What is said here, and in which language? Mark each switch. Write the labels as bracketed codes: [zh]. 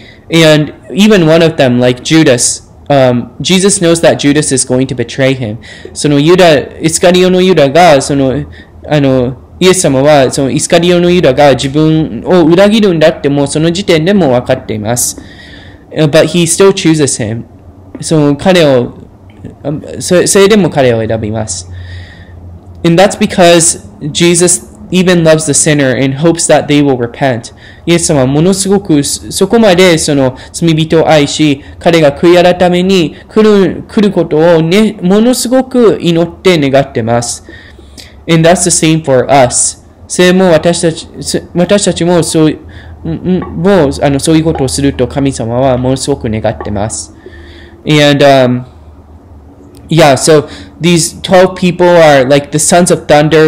[en] And even one of them, like Judas, Jesus knows that Judas is going to betray him. [ja] そのユダ、イスカリオのユダが、イエス様はそのイスカリオのユダが自分を裏切るんだってもうその時点でも分かっています。 [en] But he still chooses him. [ja] その彼を、それでも彼を選びます。 [en] And that's because Jesus even loves the sinner and hopes that they will repent. [ja] イエス様はものすごくそこまでその罪人を愛し、彼が悔い改めに来ることを、ね、ものすごく祈って願ってます。 [en] And that's the same for us. [ja] それも私たちもそういうことをすると神様はものすごく願ってます。 [en] And, so these 12 people are like the sons of thunder.